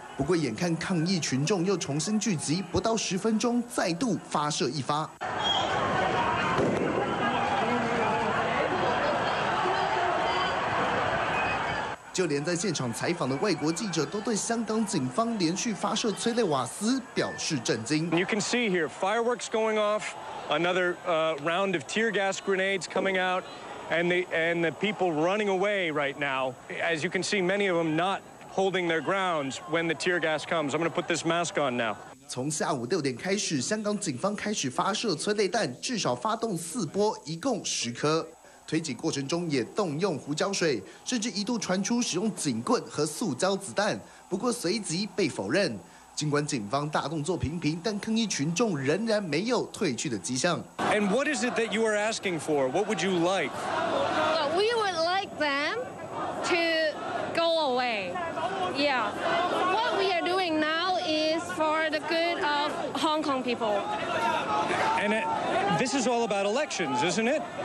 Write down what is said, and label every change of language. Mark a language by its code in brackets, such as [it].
[zh] 不过，眼看抗议群众又重新聚集，不到10分钟，再度发射一发。就连在现场采访的外国记者都对香港警方连续发射催泪瓦斯表示震惊。 [en] You can see here fireworks going off, another round of tear gas grenades coming out, and the people running away right now. As you can see, many of them not holding their grounds when the tear gas comes. I'm going to put this mask on now. [zh] 从下午6点开始，香港警方开始发射催泪弹，至少发动4波，一共10颗。推挤过程中也动用胡椒水，甚至一度传出使用警棍和塑胶子弹，不过随即被否认。尽管警方大动作频频，但抗议群众仍然没有退去的迹象。 [en] And what is it that you are asking for? What would you like? We would like them to go away. Yeah. What we are doing now is for the good of Hong Kong people. And this is all about elections, isn't it?